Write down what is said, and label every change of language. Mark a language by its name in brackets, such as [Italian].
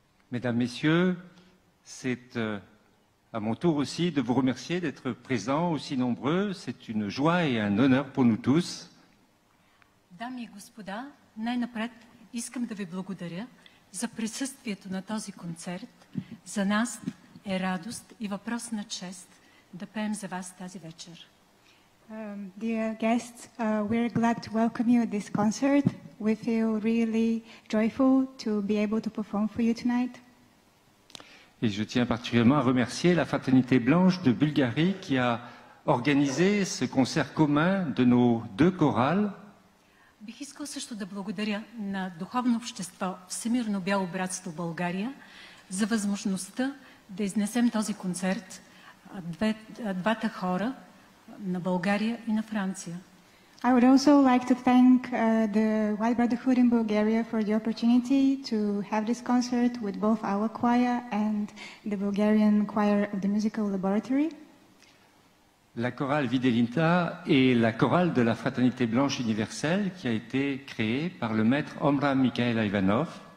[French] Mesdames, Messieurs, c'est à mon tour aussi de vous remercier d'être présents aussi nombreux. C'est une joie et un honneur pour nous tous. [Bulgarian] Дами и господа, най-напред искам да ви благодаря за присъствието на този концерт. За нас е радост и въпрос на чест да пеем за вас тази вечер. [English] Dear guests, we're glad to welcome you at this concert. We feel really joyful to be able to perform for you tonight. [French] Et je tiens particulièrement à remercier la Fraternité Blanche de Bulgarie qui a organisé ce concert commun de nos deux chorales. [Bulgarian] Бих искал също да благодаря на духовно общество Всемирно бяло братство България за възможността да изнесем този концерт двата хора на България и на Франция. [English] I would also like to thank the White Brotherhood in Bulgaria for the opportunity to have this concert with both our choir and the Bulgarian choir of the musical laboratory. [French] La chorale Videlina est la chorale de la Fraternité Blanche Universelle qui a été créée par le maître Omraam Mikhail Ivanov.